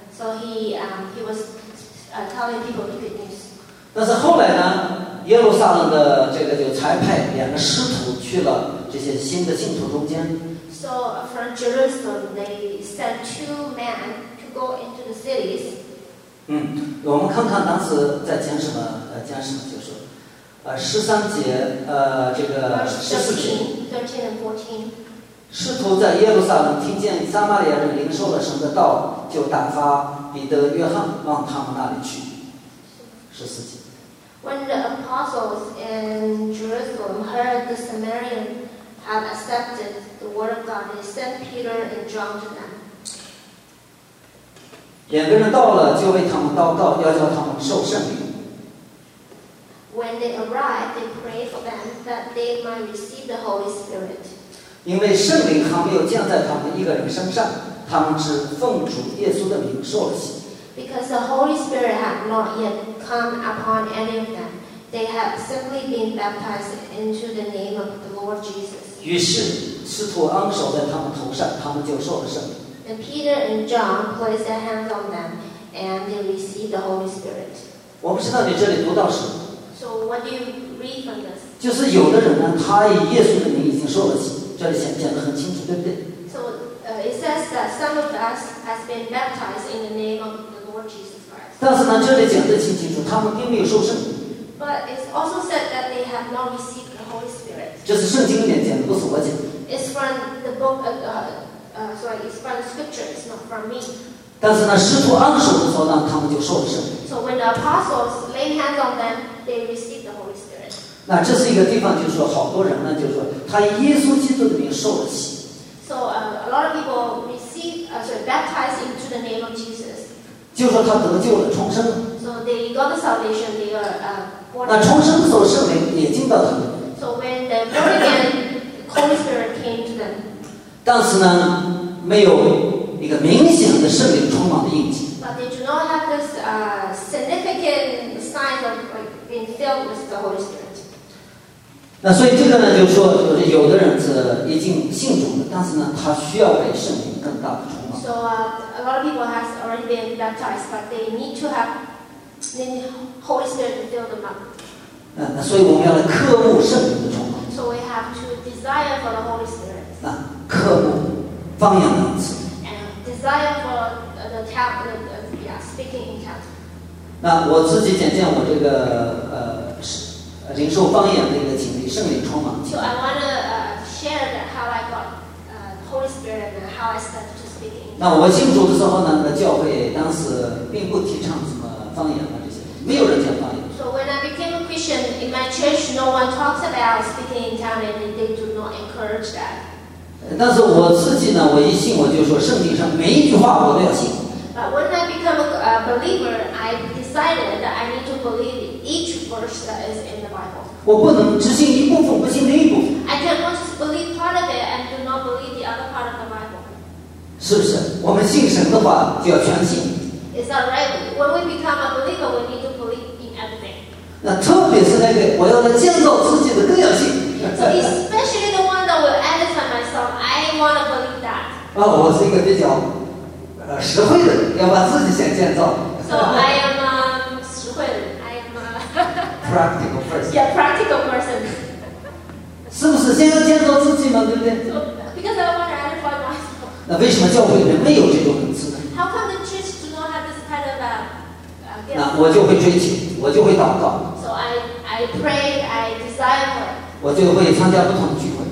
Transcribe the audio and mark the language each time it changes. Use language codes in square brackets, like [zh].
[en] So he was telling people the good news. [zh] 但是后来呢，耶路撒冷的这个就差派两个使徒去了这些新的信徒中间。 [en] So from Jerusalem, they sent two men to go into the cities. [zh] 嗯，我们看看当时在讲什么，讲什么，就是，十三节，这个十四节。 [en] 13 and 14。 [zh] 使徒在耶路撒冷听见撒玛利亚人领受了神的道，就打发彼得、约翰往他们那里去。十四节。 [en] When the apostles in Jerusalem heard the Samaritan. Have accepted the word of God. They sent Peter and John to them. [zh] 两个人到了，就为他们祷告，要叫他们受圣灵。 [en] When they arrived, they prayed for them that they might receive the Holy Spirit. [zh] 因为圣灵还没有降在他们一个人身上，他们只奉主耶稣的名受了洗。 [en] Because the Holy Spirit had not yet come upon any of them, they had simply been baptized into the name of the Lord Jesus. [zh] 于是使徒安守在他们头上，他们就受了圣灵。 [en] And Peter and John placed their hands on them, and they received the Holy Spirit. [zh] 我不知道你这里读到什么。 [en] So what do you read from this? [zh] 就是有的人呢，他以耶稣的名已经受了洗，这里显讲得很清楚，对不对 [en] ？So it says that some of us has been baptized in the name of the Lord Jesus Christ. [zh] 但是呢，这里讲得清清楚，他们并没有受圣灵。 [en] But it's also said that they have not received the Holy Spirit. [zh] 这是圣经里面讲的，不是我讲的。 [en] It's from the book, it's from the scripture, it's not from me. [zh] 但是呢，使徒安守的时候呢，他们就受了圣灵。 [en] So when the apostles laid hands on them, they received the Holy Spirit. [zh] 那这是一个地方，就是说好多人呢，就是说他以耶稣基督的名受了洗。 [en] So a lot of people received, baptized into the name of Jesus. [zh] 就说他得救了，重生了。 [en] So they got the salvation, they are. [zh] 那重生的时候，圣灵也进到他们。 [en] So when the born again, the Holy Spirit came to them. [zh] 但是呢，没有一个明显的圣灵充满的印记。 [en] But they do not have this significant sign of like being filled with the Holy Spirit. [zh] 那所以这个呢，就说就是有的人是已经信主了，但是呢，他需要被圣灵更大的充满。 [en] So a lot of people has already been baptized, but they need to have the Holy Spirit filled them up. [zh] 那所以我们要来渴慕圣灵的充满。 [en] So we have to desire for the Holy Spirit. [zh] 啊，渴慕，方言的词。 [en] Desire for the tab, yeah, speaking in tongues. [zh] 那我自己讲讲我这个灵受方言的一个经历，圣灵充满。 [en] So I want to share how I got Holy Spirit and how I started to speak in tongues. [zh] 那我信主的时候呢，那教会当时并不提倡什么方言啊这些，没有人讲方言。 [en] So when I became a Christian in my church, no one talks about speaking in tongues, and they do not encourage that. [zh] 但是我自己呢，我一信我就说圣经上每一句话我都要信。 [en] But when I become a believer, I decided that I need to believe each verse that is in the Bible. [zh] 我不能只信一部分，不信另一部分。 [en] I cannot just believe part of it and do not believe the other part of the Bible. [zh] 是不是？我们信神的话就要全信。 [en] Is that right? When we become a believer, we need to believe in everything. [zh] 那特别是那个我要来建造自己的更要信。 [en] Especially the one that will edify myself. I want to believe that. [zh] 啊，我是一个比较实惠的，要把自己先建造。 [en] So I am [zh] 实惠的 [en] ，I am practical person. Yeah, practical person. [zh] 是不是先要建造自己嘛？对不对 [en] ？Because I want to edify myself. [zh] 那为什么教会里面没有这种恩赐呢 [en] ？How come the church do not have this kind of gift? [zh] 那我就会追求，我就会祷告。 [en] So I pray, I desire. [zh] 我就会参加不同的聚会。